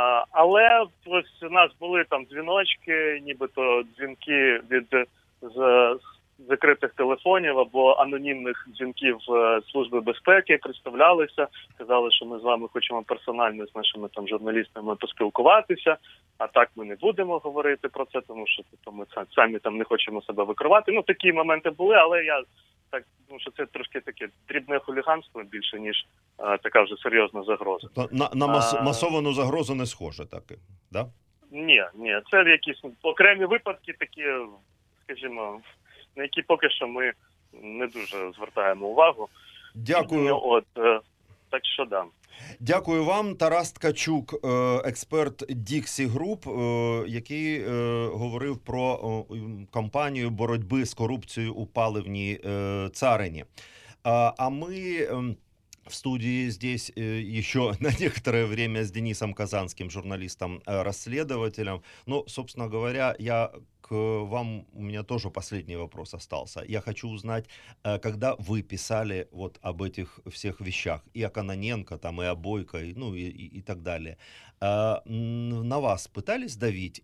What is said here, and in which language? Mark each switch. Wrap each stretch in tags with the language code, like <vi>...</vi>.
<uk>Але ось у нас були там дзвіночки, нібито дзвінки від закритих телефонів або анонімних дзвінків Служби безпеки, представлялися, казали, що ми з вами хочемо персонально з нашими там журналістами поспілкуватися, а так ми не будемо говорити про це, тому що ми самі там не хочемо себе викривати. Ну, такі моменти були, але я так, тому що це трошки таке дрібне хуліганство більше, ніж така вже серйозна загроза. На масовану загрозу не схоже таки, да? Ні, це якісь окремі випадки такі, скажімо, на які поки що ми не дуже звертаємо увагу. Дякую. Так що да. Дякую вам, Тарас Ткачук, експерт Dixi Group, який говорив про кампанію боротьби з корупцією у паливній царині. А ми в студії</uk> <ru>здесь еще на некоторое время с Денисом Казанским, журналистом-расследователем. Ну, собственно говоря, я к вам, у меня тоже последний вопрос остался. Я хочу узнать, когда вы писали вот об этих всех вещах, и о Кононенко, там, и о Бойко, и, ну, и так далее, на вас пытались давить?</ru>